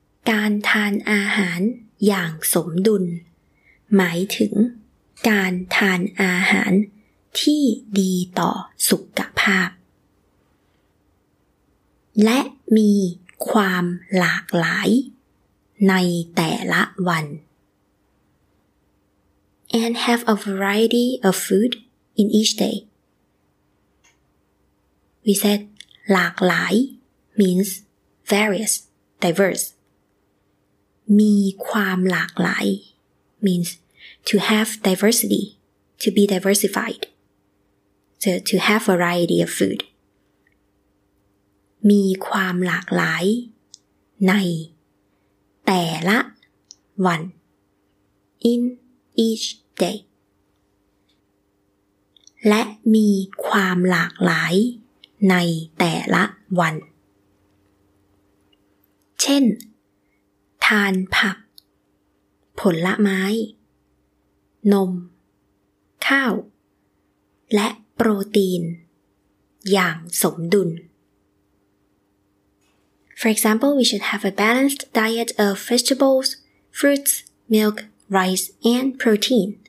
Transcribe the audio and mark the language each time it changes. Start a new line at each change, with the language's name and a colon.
Thai: การทานอาหารอย่างสมดุลหมายถึงการทานอาหารที่ดีต่อสุขภาพและมีความหลากหลายในแต่ละวัน
English: and have a variety of food in each day we said หลากหลาย means various diverse
Thai: มีความหลากหลาย
English: means to have diversity to be diversified to have variety of food
Thai: มีความหลากหลายในแต่ละวัน
English: in each day
Thai: และมีความหลากหลายในแต่ละวันเช่นทานผักผลไม้นมข้าวและโปรตีนอย่างสมดุล
English: For example, we should have a balanced diet of vegetables, fruits, milk, rice, and protein.